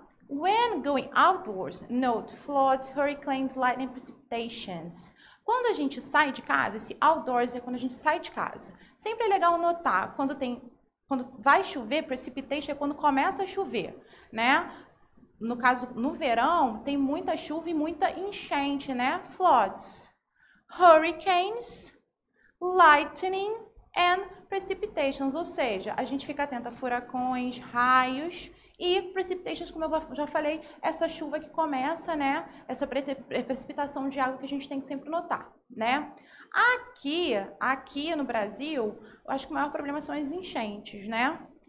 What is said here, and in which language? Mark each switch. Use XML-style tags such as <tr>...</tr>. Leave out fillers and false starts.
<en>When going outdoors, note floods, hurricanes, lightning, precipitations.</en> <pt>Quando a gente sai de casa, esse outdoors é quando a gente sai de casa. Sempre é legal notar quando tem, quando vai chover, precipitation é quando começa a chover, né? No caso, no verão, tem muita chuva e muita enchente, né?</pt> <en>Floods, hurricanes, lightning and precipitations.</en> <pt>Ou seja, a gente fica atento a furacões, raios. E precipitations, como eu já falei, essa chuva que começa, né? Essa precipitação de água que a gente tem que sempre notar, né? Aqui no Brasil, eu acho que o maior problema são as enchentes, né?</pt>